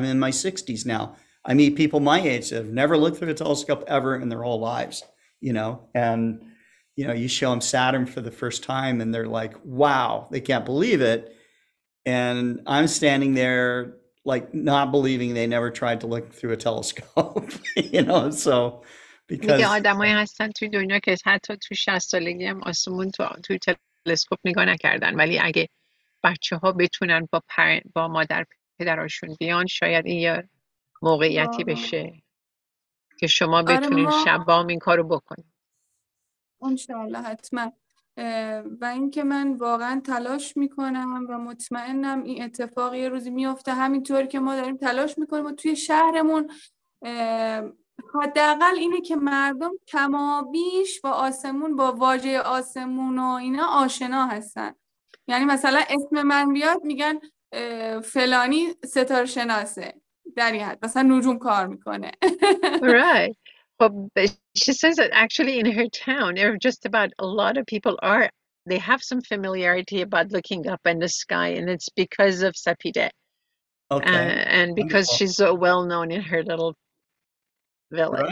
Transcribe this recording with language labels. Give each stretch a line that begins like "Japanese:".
English: I'm in my 60s now. I meet people my age that have never looked through a telescope ever in their whole lives, you know, and, you know, you show them Saturn for the first time and they're like, wow, they can't believe it. And I'm standing there like not believing they never tried to look through a telescope, you know, so because.
Persian: میگه آدم های هستن توی دنیا که حتی توی 60 سالگی هم آسمون توی تلسکوپ نگاه نکردن. ولی اگه بچه ها بتونن با مادر پدرشون بیان شاید این یه موقعیتی بشه که شما بتونین شب با این کارو بکنید. انشاءالله حتما. و اینکه من واقعا تلاش میکنم و مطمئنم این اتفاق یه روزی میفته، همینطور که ما داریم تلاش میکنیم و توی شهرمون حداقل اینه که مردم کمابیش با آسمون، با واژه آسمون و اینا آشنا هستن. یعنی مثلا اسم من بیاد میگن فلانی ستاره شناسه، در این حد مثلا نجوم کار میکنه.
English: Right. But she says that actually in her town, just about a lot of people are, they have some familiarity about looking up in the sky, and it's because of Sepideh. Okay. And because she's so well known in her little village.